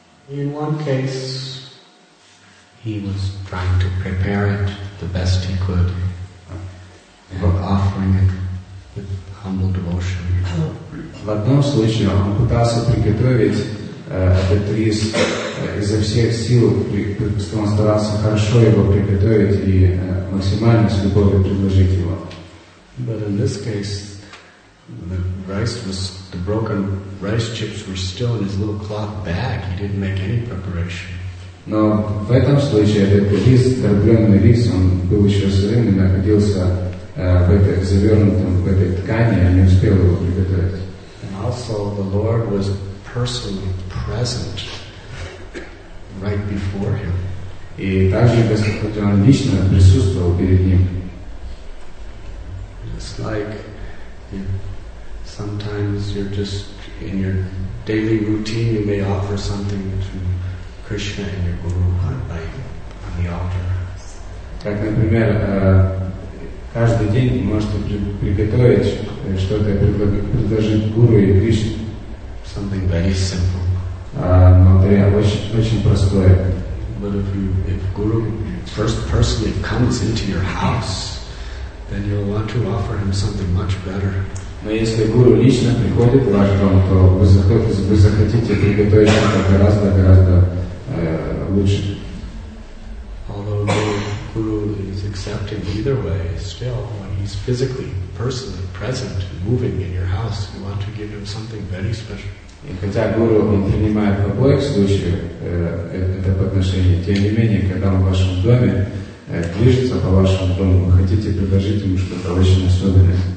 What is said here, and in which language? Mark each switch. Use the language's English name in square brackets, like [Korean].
[English] In one case, he was trying to prepare it the best he could, but offering it with humble devotion. [Russian] В одном случае он пытался приготовить этот рис изо всех сил старался хорошо его приготовить и максимально с любовью предложить его. [English] But in this case, the rice was the broken rice chips were still in his little cloth bag. He didn't make any preparation. [Russian] Но в этом случае этот рис, дробленый рис, он был еще сырым и находился в этой завернутом в этой ткани, и не успел его приготовить. [English] And also, the Lord was personally present right before him. [Russian] И также Господь он лично присутствовал перед ним. [English] It's like sometimes you're just in your daily routine, you may offer something to Krishna and your Guru on the altar. [Russian] Так, например, каждый день можете приготовить что-то предложить Гуру и Кришне. [English] Something very simple. [Russian] Материал очень простой. [English] But if Guru first personally comes into your house, then you'll want to offer him something much better. [Russian] Но если Гуру лично приходит в ваш дом, то вы захотите приготовить что-то гораздо лучше. [English] Although the Guru is accepting either way, still when he's physically, personally present, moving in your house, you want to give him something very special. [Russian] И хотя Гуру он принимает в обоих случаях это подношение, тем не менее, когда он в вашем доме движется по вашему дому, вы хотите предложить ему что-то очень особенное.